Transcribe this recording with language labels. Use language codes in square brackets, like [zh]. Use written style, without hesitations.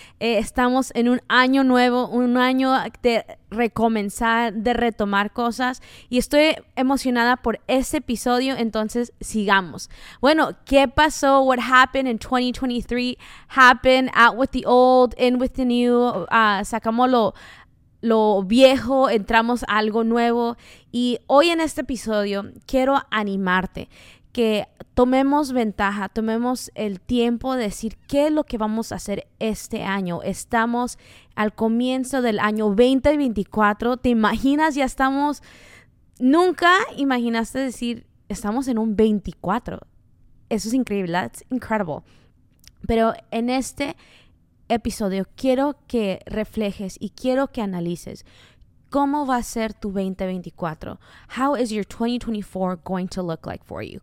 [es] Estamos en un año nuevo, un año de recomenzar, de retomar cosas. Y estoy emocionada por este episodio, entonces sigamos. Bueno, ¿qué pasó? [en] What happened in 2023? Happened out with the old, in with the new. [es] Sacamos lo viejo, entramos a algo nuevo. Y hoy en este episodio quiero animarte que tomemos ventaja, tomemos el tiempo de decir qué es lo que vamos a hacer este año. Estamos al comienzo del año 2024. ¿Te imaginas? Ya estamos. Nunca imaginaste decir, estamos en un 24. Eso es increíble. [en] That's incredible. [es] Pero en este episodio, quiero que reflejes y quiero que analices cómo va a ser tu 2024. [en] How is your 2024 going to look like for you?